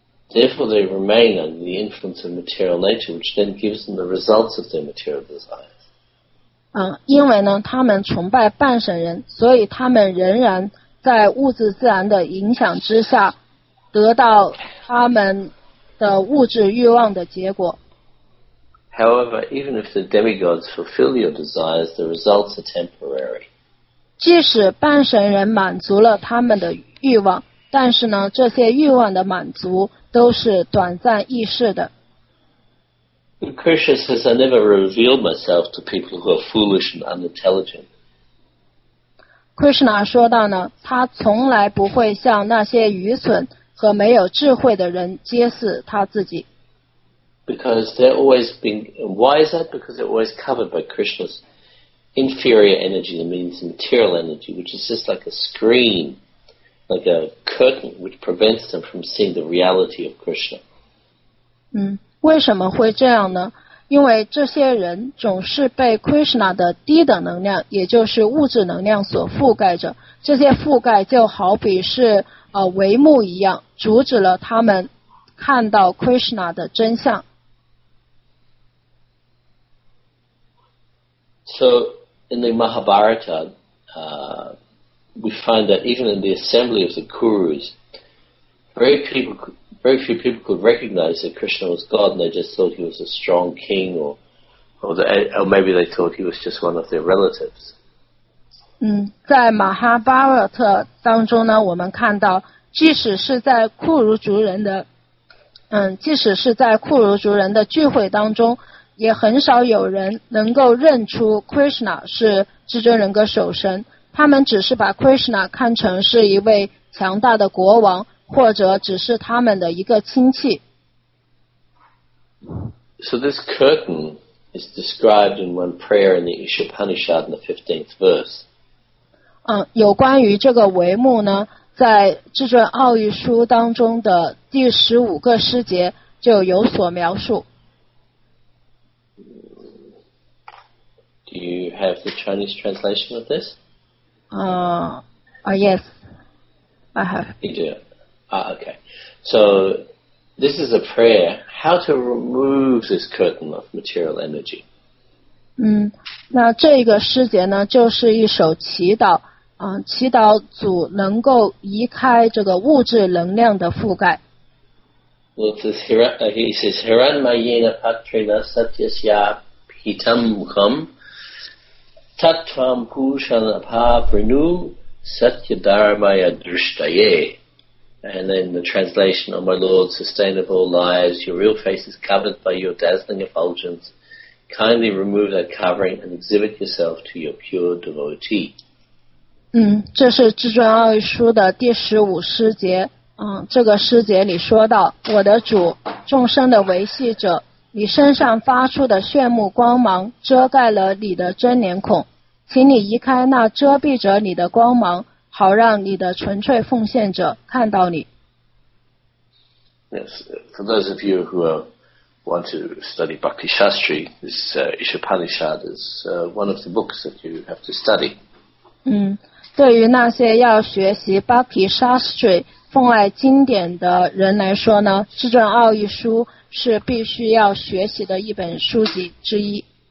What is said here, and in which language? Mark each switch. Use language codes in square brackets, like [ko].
[en] therefore they remain under the influence of material nature, which then gives them the results of their material desires. [zh] 因为呢，他们崇拜半神人，所以他们仍然在物质自然的影响之下，得到他们的物质欲望的结果。 [en] However, even if the demigods fulfill your desires, the results are temporary. [zh] 即使半神人满足了他们的欲望，但是呢，这些欲望的满足都是短暂易逝的。Krishna [en] says, I never reveal myself to people who are foolish and unintelligent. [zh] Krishna 说道呢，他从来不会向那些愚蠢和和没有智慧的人皆是他自己。 [en] Because they're always being, why is that? Because they're always covered by Krishna's inferior energy, that means material energy, which is just like a screen, like a curtain, which prevents them from seeing the reality of Krishna. [zh] 嗯，为什么会这样呢？因为这些人总是被 Krishna 的低等能量，也就是物质能量所覆盖着。这些覆盖就好比是帷幕一样，阻止了他们看到 Krishna 的真相。 [en] So in the Mahabharata, we find that even in the assembly of the Kurus, very few people could recognize that Krishna was God, and they just thought he was a strong king, or maybe they thought he was just one of their relatives. [zh] 嗯，在马哈巴尔特当中呢，我们看到，即使是在库儒族人的，即使是在库儒族人的聚会当中，也很少有人能够认出 Krishna 是至尊人格守神，他们只是把 Krishna 看成是一位强大的国王，或者只是他们的一个亲戚。 [en] So this curtain is described in one prayer in the Ishapanishad in the 15th verse. [zh] 有关于这个帷幕呢，在至尊奥义书当中的第十五个诗节就有所描述。 [en] Do you have the Chinese translation of this? Yes, I have. You do. Okay. So this is a prayer. How to remove this curtain of material energy? [zh] 那这个诗节呢，就是一首祈祷。祈祷主能够移开这个物质能量的覆盖。 [en] Well, he says, [sa] Hiranmayena Patrina Satyasya Pitamukham Tatvam Kushanapha Prinu Satyadharmaya Drishtaye. [en] And then the translation, O my Lord, sustainable lives, your real face is covered by your dazzling effulgence. Kindly remove that covering and exhibit yourself to your pure devotee. [zh] 这是至尊奥义书的第十五诗节。这个诗节里说到，我的主，众生的维系者，你身上发出的炫目光芒遮盖了你的真脸孔，请你移开那遮蔽着你的光芒，好让你的纯粹奉献者看到你。 [en] Yes, for those of you who want to study Bhakti Shastri, this Ishapanishad is one of the books that you have to study. [zh] 对于那些要学习 Bhakti Shastri 奉爱经典的人来说呢，至尊奥义书是必须要学习的一本书籍之一。